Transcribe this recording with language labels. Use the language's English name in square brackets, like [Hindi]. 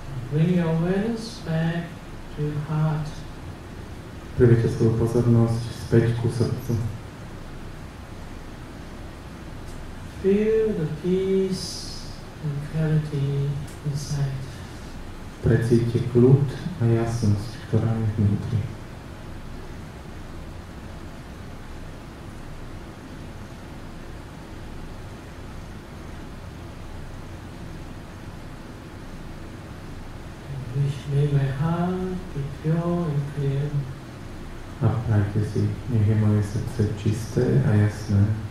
[English] Bring your awareness back to heart. [Slovak] Priveďte svoju pozornosť späť ku srdcu. [English] Feel the peace and clarity inside. [Slovak] Precíťte kľud a jasnosť, ktorá je vnútri. [English] May my heart be pure and clear. [Slovak] A prajte si, nech je moje srdce čisté a jasné.